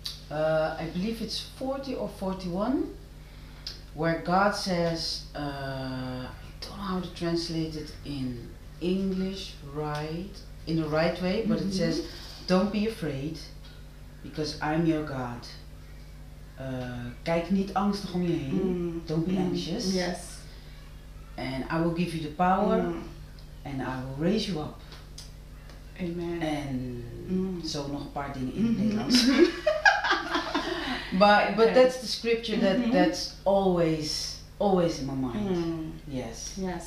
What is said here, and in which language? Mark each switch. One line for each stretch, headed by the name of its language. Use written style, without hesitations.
English: I believe it's 40 or 41, where God says, I don't know how to translate it in English, right? In the right way, but mm-hmm. It says, don't be afraid, because I'm your God.
Dutch: Kijk niet angstig om je heen.
English: Mm. Don't be anxious. Yes. And I will give you the power, and I will raise you up. Amen. And so
Dutch: nog een paar dingen in het Nederlands.
English: But that's the scripture that's always in my mind. Mm.